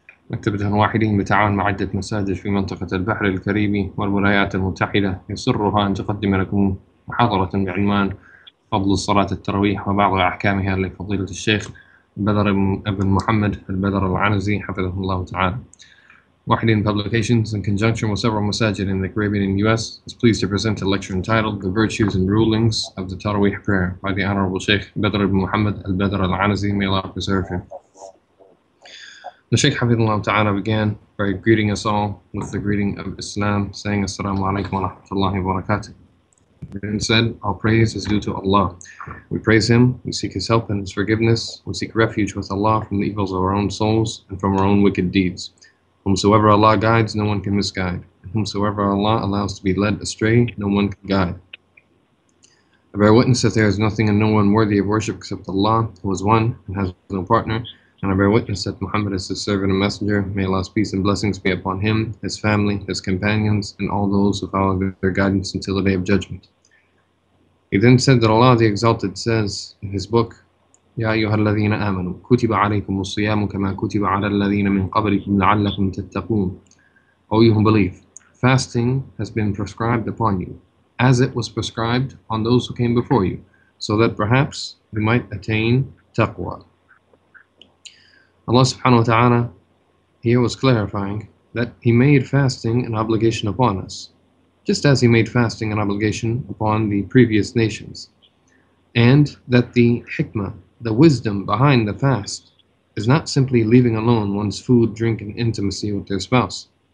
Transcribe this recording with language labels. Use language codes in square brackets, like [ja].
[ar] مكتبة واحدين بتعاون مع عدة مساجد في منطقة البحر الكاريبي والولايات المتحدة يسرها أن تقدم لكم محاضرة بعنوان فضل صلاة التراويح وبعض أحكامها لفضيلة الشيخ بدر بن محمد البدر العنزي حفظه الله تعالى. [en] واحدين publications in conjunction with several masajid in the Caribbean and U.S. is pleased to present a lecture entitled The Virtues and Rulings of the Taraweeh Prayer by the Honorable Sheikh Badr ibn Muhammad al-Badr al-Anazi. May Allah preserve him. The Sheikh Hafidhullah Ta'ala began by greeting us all with the greeting of Islam, saying Assalamu alaikum wa rahmatullahi wa barakatuh. Then said, all praise is due to Allah. We praise Him, we seek His help and His forgiveness, we seek refuge with Allah from the evils of our own souls and from our own wicked deeds. Whomsoever Allah guides, no one can misguide. And whomsoever Allah allows to be led astray, no one can guide. I bear witness that there is nothing and no one worthy of worship except Allah, who is one and has no partner. And I bear witness that Muhammad is his servant and messenger. May Allah's peace and blessings be upon him, his family, his companions, and all those who follow their guidance until the day of judgment. He then said that Allah the Exalted says in his book, [ar] يا أيها الذين آمنوا كتب عليكم الصيام كما كتب على الذين من قبلكم لعلكم تتقون. [en] O you who believe, fasting has been prescribed upon you, as it was prescribed on those who came before you, so that perhaps you might attain taqwa. Allah subhanahu wa ta'ala here was clarifying that He made fasting an obligation upon us, just as He made fasting an obligation upon the previous nations, and that the hikmah, the wisdom behind the fast is not simply leaving alone one's food, drink, and intimacy with their spouse.